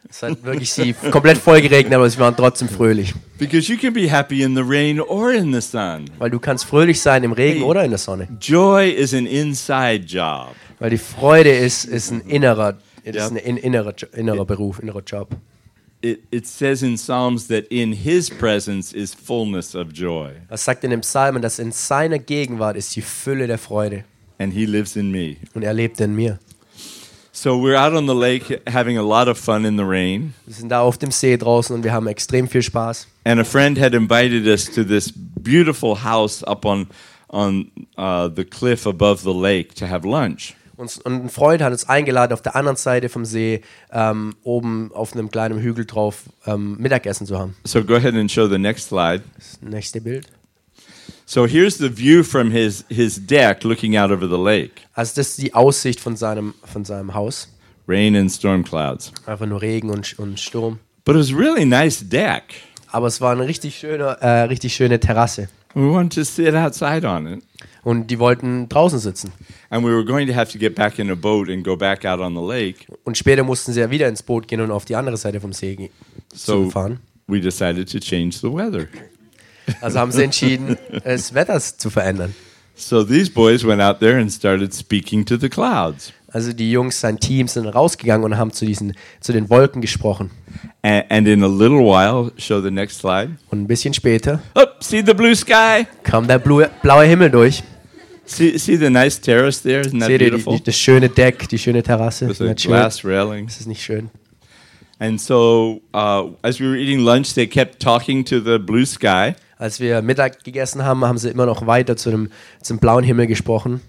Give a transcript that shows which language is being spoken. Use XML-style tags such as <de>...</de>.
<de>Es hat wirklich komplett voll geregnet, aber wir waren trotzdem fröhlich.</de> <en>Because you can be happy in the rain or in the sun.</en> <de>Weil du kannst fröhlich sein im Regen oder in der Sonne.</de> <en>Joy is an inside job.</en> <de>Weil die Freude ist ein innerer, ist ein innerer Beruf, innerer Job.</de> <en>It says in Psalms that in his presence is fullness of joy.</en> <de>Was sagt in dem Psalm, dass in seiner Gegenwart ist die Fülle der Freude.</de> <en>And he lives in me.</en> <de>Und er lebt in mir.</de> <en>So we're out on the lake having a lot of fun in the rain.</en> <de>Wir sind da auf dem See draußen und wir haben extrem viel Spaß.</de> <en>And a friend had invited us to this beautiful house up on the cliff above the lake to have lunch.</en> <de>Und ein Freund hat uns eingeladen, auf der anderen Seite vom See, oben auf einem kleinen Hügel drauf, Mittagessen zu haben.</de> <en>So go ahead and show the next slide.</en> <de>Das nächste Bild.</de> <en>So here's the view from his deck looking out over the lake.</en> <de>Also das ist die Aussicht von seinem Haus.</de> <en>Rain and storm clouds.</en> <de>Einfach nur Regen und Sturm.</de> <en>But it was really nice deck.</en> <de>Aber es war eine richtig schöne Terrasse.</de> <en>We wanted to sit outside on it.</en> <de>Und die wollten draußen sitzen.</de> <en>And we were going to have to get back in a boat and go back out on the lake.</en> <de>Und später mussten sie ja wieder ins Boot gehen und auf die andere Seite vom See fahren.</de> <en>So we decided to change the weather.</en> <de>Also haben sie entschieden, das Wetter zu verändern.</de> <en>So these boys went out there and started speaking to the clouds.</en> <de>Also die Jungs, sein Team, sind rausgegangen und haben zu den Wolken gesprochen.</de> <en>And in a little while, show the next slide.</en> <de>Und ein bisschen später.</de> <en>Oh, see the blue sky.</en> <de>Kam der blaue Himmel durch.</de> <en>See the nice terrace there. Isn't that beautiful?</en> <de>Seht ihr das schöne Deck, die schöne Terrasse?</de> <en>With the glass railing.</en> <de>Ist das nicht schön?</de> <en>And so, as we were eating lunch, they kept talking to the blue sky.</en> <de>Als wir Mittag gegessen haben, haben sie immer noch weiter zum blauen Himmel gesprochen.</de>